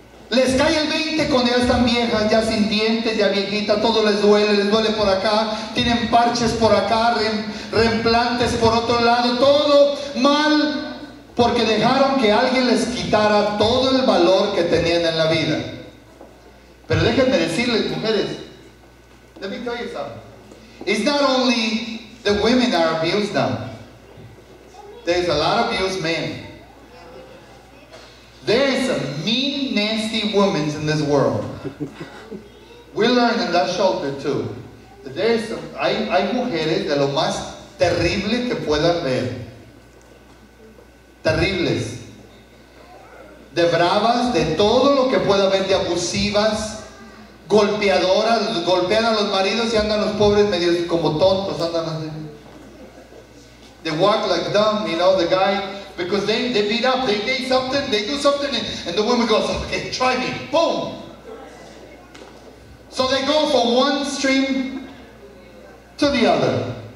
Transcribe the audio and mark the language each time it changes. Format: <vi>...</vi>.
<es>Les cae el 20 cuando ya están viejas, ya sin dientes, ya viejitas, todo les duele por acá, tienen parches por acá, reimplantes por otro lado, todo mal, porque dejaron que alguien les quitara todo el valor que tenían en la vida. Pero déjenme decirles, mujeres,</es> <en>let me tell you something. It's not only the women that are abused now. There's a lot of abused men. There is some mean, nasty women in this world. We learned in that shelter too. There is some,</en> <es>hay mujeres de lo más terrible que puedan ver. Terribles. De bravas, de todo lo que pueda haber, de abusivas, golpeadoras, golpean a los maridos y andan los pobres medio como tontos, andan así.</es> <en>They walk like dumb, you know, the guy. Because they beat up, they did something, they do something, and the woman goes, okay, try me, boom. So they go from one stream to the other.</en>